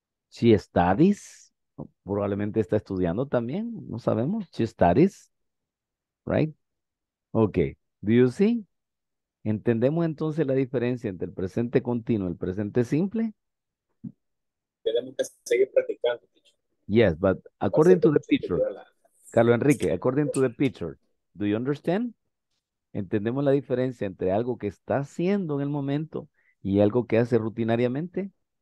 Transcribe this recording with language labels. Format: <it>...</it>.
<en>She studies.</en> <es>Probablemente está estudiando también. No sabemos.</es> <en>She studies. Right? Okay. Do you see?</en> <es>¿Entendemos entonces la diferencia entre el presente continuo y el presente simple? Tenemos que seguir practicando.</es> <en>Yes, but according to the picture, Carlos Enrique, according to the picture, do you understand?</en> <es>¿Entendemos la diferencia entre algo que está haciendo en el momento y algo que hace rutinariamente?</es>